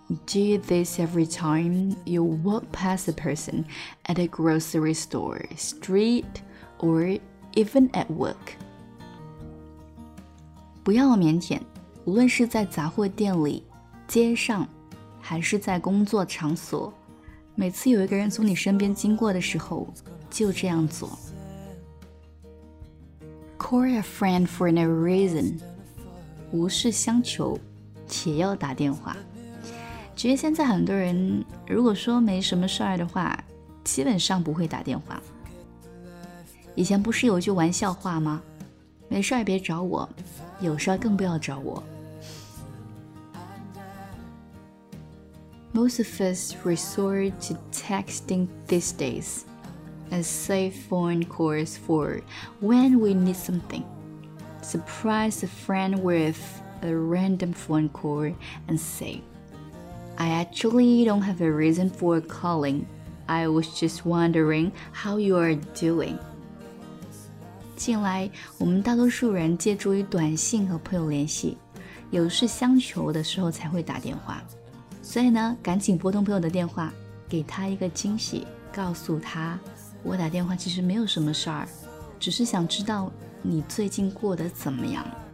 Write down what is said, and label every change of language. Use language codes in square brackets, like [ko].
[en] Do this every time you walk past a person at a grocery store, street, or even at work. [zh] 不要腼腆，无论是在杂货店里、街上，还是在工作场所，每次有一个人从你身边经过的时候，就这样做。 [en] Call a friend for no reason. [zh] 无事相求。且要打电话，其实现在很多人如果说没什么事儿的话，基本上不会打电话。以前不是有句玩笑话吗？没事儿别找我，有事儿更不要找我。 [en] Most of us resort to texting these days and save phone calls for when we need something. Surprise a friend withA random phone call and say, I actually don't have a reason for calling. I was just wondering how you are doing. [zh] 近来我们大多数人借助于短信和朋友联系，有事相求的时候才会打电话。所以呢，赶紧拨通朋友的电话，给他一个惊喜，告诉他我打电话其实没有什么事儿，只是想知道你最近过得怎么样。